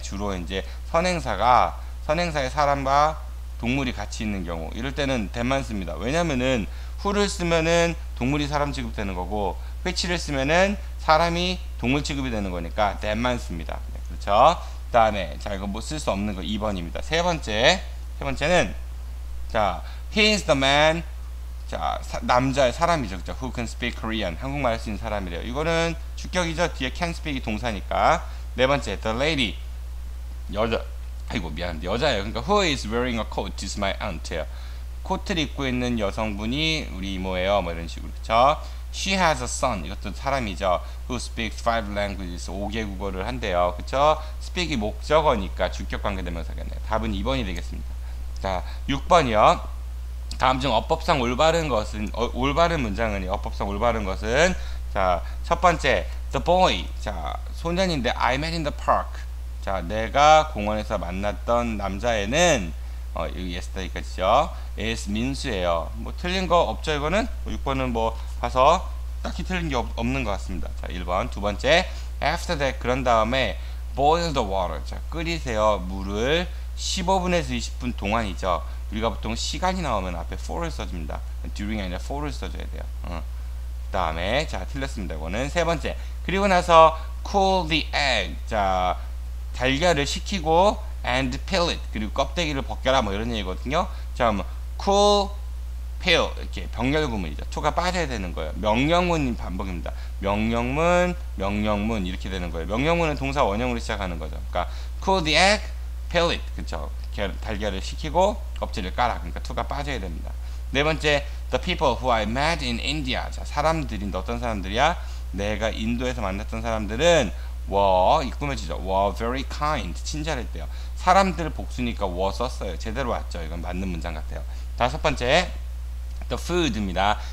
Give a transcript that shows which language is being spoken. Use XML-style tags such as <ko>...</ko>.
<ko>주로 이제 선행사의 사람과 동물이 같이 있는 경우, 이럴 때는 that만 씁니다. 왜냐면은 who를 쓰면은 동물이 사람 취급되는 거고, which를 쓰면은 사람이 동물 취급이 되는 거니까 that만 씁니다. 네, 그렇죠? 그다음에, 자, 이거 뭐쓸수 없는 거 2번입니다.</ko> <en>세 번째는, 자, he is the man.</en> <ko>자, 남자의 사람이죠. 그죠?</ko> <en>Who can speak Korean?</en> <ko>한국말 할수 있는 사람이래요. 이거는 주격이죠. 뒤에 can speak이 동사니까. 네 번째, the lady. 여자. 아이고, 미안한데 여자예요. 그러니까</ko> <en>who is wearing a coat is my aunt</en> <ko>예요. 코트를 입고 있는 여성분이 우리 이모예요. 뭐 이런 식으로. 그렇죠?</ko> <en>She has a son.</en> <ko>이것도 사람이죠.</ko> <en>Who speaks five languages.</en> <ko>5개 국어를 한대요. 그쵸? Speak이 목적어니까 주격 관계대명사겠네요. 답은 2번이 되겠습니다. 자, 6번이요. 다음 중 어법상 올바른 것은, 올바른 문장은, 어법상 올바른 것은, 자, 첫 번째, the boy.</ko> <en>자, 소년인데, I met in the park.</en> <ko>자, 내가 공원에서 만났던 남자애는, 여기 yesterday까지죠. is 민수예요. 뭐, 틀린 거 없죠, 이거는? 6번은 뭐, 봐서, 딱히 틀린 게 없는 것 같습니다. 자, 1번.</ko> <en>두 번째, after that,</en> <ko>그런 다음에,</ko> <en>boil the water.</en> <ko>자, 끓이세요, 물을. 15분에서 20분 동안이죠. 우리가 보통 시간이 나오면 앞에 for를 써줍니다. during 아니라 for를 써줘야 돼요. 그다음에 자 틀렸습니다. 이거는 세 번째. 그리고 나서</ko> <en>cool the egg.</en> <ko>자 달걀을 식히고</ko> <en>and peel it.</en> <ko>그리고 껍데기를 벗겨라 뭐 이런 얘기거든요. 자 그럼 cool peel 이렇게 병렬구문이죠. 초가 빠져야 되는 거예요. 명령문 반복입니다. 명령문, 명령문 이렇게 되는 거예요. 명령문은 동사 원형으로 시작하는 거죠.</ko> <en>그러니까 cool the egg, peel it.</en> <ko>그쵸? 달걀을 식히고 껍질을 까라. 그러니까 2가 빠져야 됩니다.</ko> <en>네 번째, the people who I met in India.</en> <ko>자, 사람들인데 어떤 사람들이야? 내가 인도에서 만났던 사람들은 were 이꾸며지죠.</ko> <en>were very kind,</en> <ko>친절했대요. 사람들 복수니까 were 썼어요. 제대로 왔죠. 이건 맞는 문장 같아요. 다섯 번째, the food입니다.</ko>